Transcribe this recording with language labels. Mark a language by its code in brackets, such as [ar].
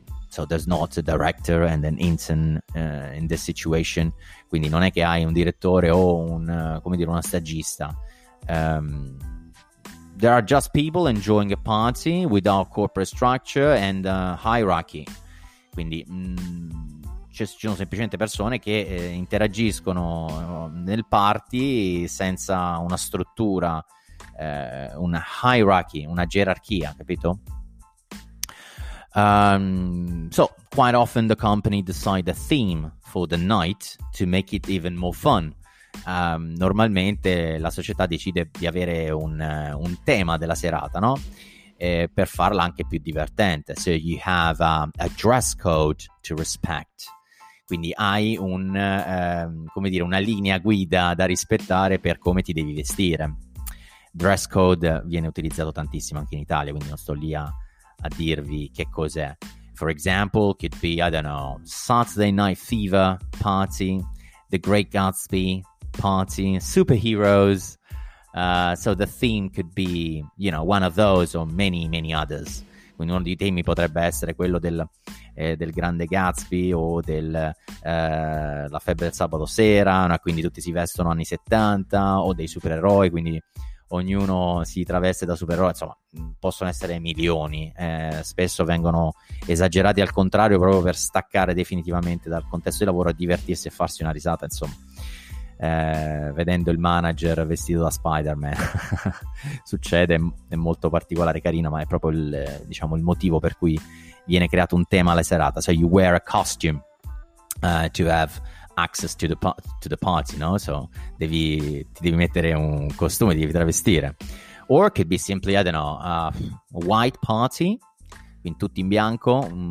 [en] So there's not a director and an intern in this situation. [it] Quindi non è che hai un direttore o un, come dire, una stagista. [en] There are just people enjoying a party without corporate structure and hierarchy. [it] Quindi ci sono semplicemente persone che interagiscono nel party senza una struttura, una hierarchy, una gerarchia, capito? [en] So quite often the company decide a theme for the night to make it even more fun. [it] normalmente la società decide di avere un tema della serata, no? Per farla anche più divertente. [en] So you have a dress code to respect. [it] Quindi hai un, come dire, una linea guida da rispettare per come ti devi vestire. Dress code viene utilizzato tantissimo anche in Italia, quindi non sto lì a dirvi che cos'è. [en] For example, could be, I don't know, Saturday Night Fever party, The Great Gatsby party, superheroes. So the theme could be, you know, one of those or many, many others. [it] Quindi uno dei temi potrebbe essere quello del Grande Gatsby o la febbre del sabato sera, no? Quindi tutti si vestono anni 70, o dei supereroi, quindi ognuno si traveste da supereroe, insomma, possono essere milioni, spesso vengono esagerati al contrario proprio per staccare definitivamente dal contesto di lavoro e divertirsi e farsi una risata, insomma, vedendo il manager vestito da Spider-Man, succede, è molto particolare, carino, ma è proprio il motivo per cui viene creato un tema alla serata. [en] So you wear a costume to have access to the party, no? [it] So ti devi mettere un costume, devi travestire. [en] Or could be simply, I don't know, a white party, [it] quindi tutti in bianco.